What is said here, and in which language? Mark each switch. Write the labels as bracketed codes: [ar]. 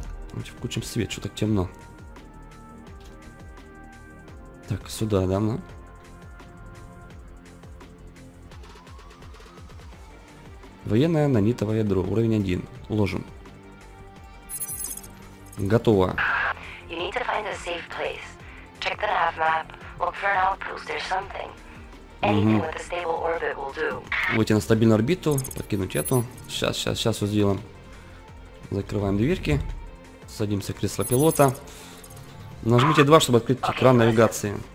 [ru] Давайте включим свет, что так темно. Так, сюда, да, ну? Военное нанитовое ядро, уровень 1. Ложим. Готово. [en] You need to find a safe place. Check the hav map. Look for an outpost or something. Anything with a stable orbit will do. [ru] Выйти на стабильную орбиту, покинуть эту. Сейчас, сейчас, сейчас вот сделаем. Закрываем дверки. Садимся в кресло пилота. Нажмите 2, чтобы открыть экран навигации.